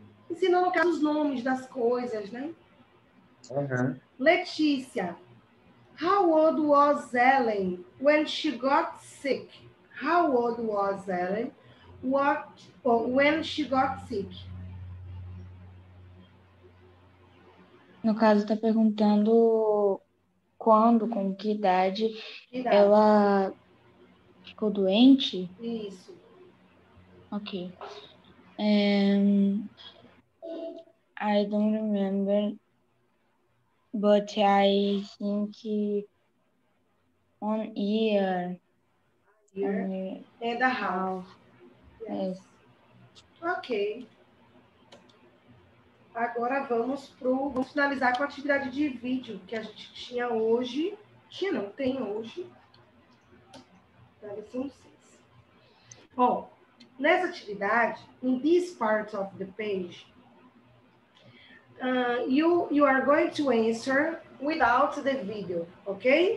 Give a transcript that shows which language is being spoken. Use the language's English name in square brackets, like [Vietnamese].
[Portuguese] Ensinou, no caso, os nomes das coisas, né? [English] Letícia, how old was Ellen when she got sick? How old was Ellen? When she got sick? [Portuguese] No caso, está perguntando quando, com que idade ela ficou doente? Isso. [English] Ok. I don't remember, but I think 1 year. And a half. Yes. Ok. [Portuguese] Agora vamos finalizar com a atividade de vídeo que a gente tinha hoje. Tinha, não tem hoje. Dá lição 6. Bom, nessa atividade, [English] in this part of the page, you are going to answer without the video, ok?